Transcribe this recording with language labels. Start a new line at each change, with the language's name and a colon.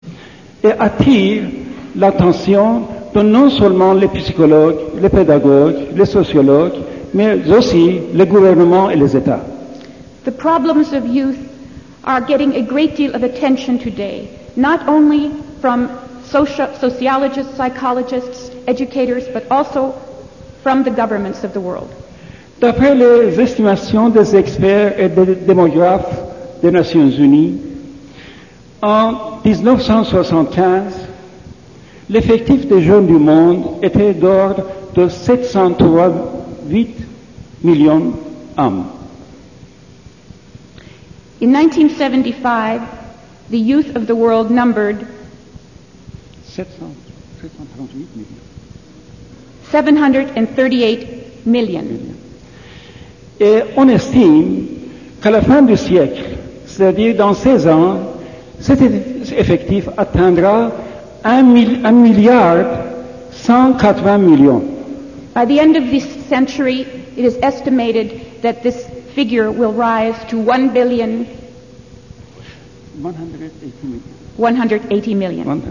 French: et attire l'attention de non seulement les psychologues, les pédagogues, les sociologues, mais aussi les gouvernements et les États.
English: The problems of youth are getting a great deal of attention today, not only from sociologists, psychologists, educators, but also from the governments of the world.
French: D'après les estimations des experts et des démographes des Nations Unies, en 1975, l'effectif des jeunes du monde était d'ordre de 738 millions d'hommes.
English: In 1975, the youth of the world numbered 738 million.
French: Et on estime qu'à la fin du siècle, c'est-à-dire dans 16 ans, cet effectif atteindra 1,180 billion.
English: By the end of this century, it is estimated that this figure will rise to 1,180 million.